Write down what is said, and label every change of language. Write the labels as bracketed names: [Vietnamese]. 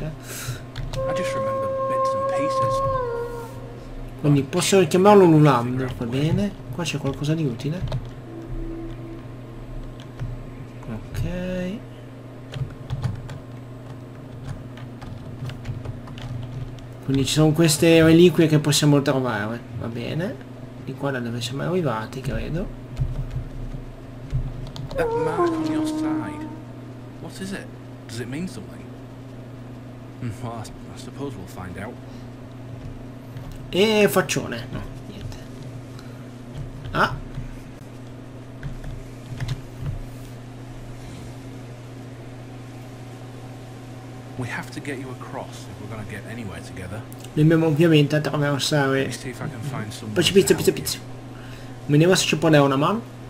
[English] I just remember bits and pieces. [Italian] Quindi posso chiamarlo un ulambro, va bene. Qua c'è qualcosa di utile. Ok. Quindi ci sono queste reliquie che possiamo trovare. Va bene. Di qua da dove siamo arrivati, credo. [English] That mark on your side. What is it? Does it mean something? Well, I suppose we'll find out. [Italian] E faccione, no, niente. Ah, [English] we have to get you across if we're gonna get anywhere together. [Italian] Dobbiamo ovviamente attraversare. Poi pizza. Vediamo se ci può dare una mano.